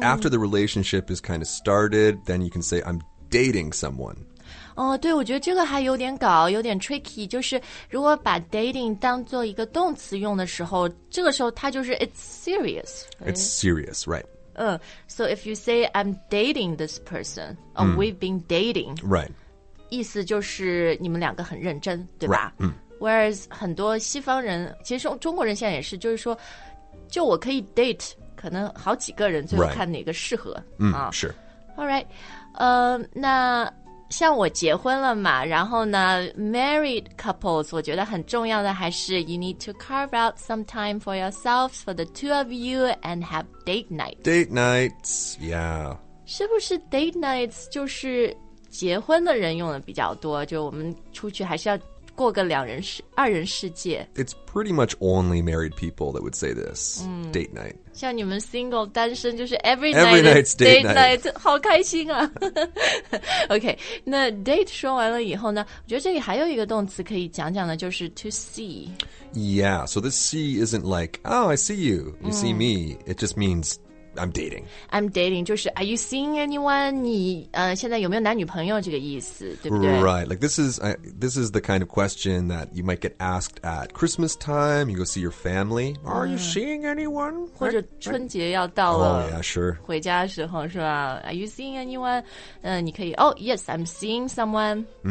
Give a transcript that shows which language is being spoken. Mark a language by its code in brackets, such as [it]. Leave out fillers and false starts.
[en] After the relationship is kind of started, then you can say, I'm dating someone. [zh] 哦，对，我觉得这个还有点搞，有点 tricky, 就是如果把 dating 当做一个动词用的时候，这个时候它就是 [en] it's serious.、Right? It's serious, right. So if you say I'm dating this person, or、we've been dating, right? [zh] 意思就是你们两个很认真，对吧？ [en] Right. [zh] Whereas 很多西方人，其实中国人现在也是，就是说，就我可以 date 可能好几个人，最后看哪个适合、啊。是。 [en] All right, [zh] 那像我结婚了嘛，然后呢 [en] ，married couples， [zh] 我觉得很重要的还是 [en] you need to carve out some time for yourselves, for the two of you, and have date nights. Date nights, yeah. [zh] 是不是 date nights 就是结婚的人用的比较多？就我们出去还是要过个两人世二人世界。 [en] It's pretty much only married people that would say this. Date night. [zh] 像你们 single 单身就是 every [en] night every night's date night. [zh] Night 好开心啊。OK, 那 date 说完了以后呢，我觉得这里还有一个动词可以讲讲的，就是 [en] to see. Yeah, so this see isn't like, oh, I see you, you see me. It just means I'm dating. I'm dating, [zh] 就是 [en] are you seeing anyone? [zh] 你现在有没有男女朋友这个意思，对不对？ [en] Right, like this is the kind of question that you might get asked at Christmas time, you go see your family. Are you seeing anyone? [zh] 或者春节要到了。 [en] Oh, yeah, sure. [zh] 回家的时候是吧？ [en] Are you seeing anyone? [zh] 你可以 [en] oh, yes, I'm seeing someone.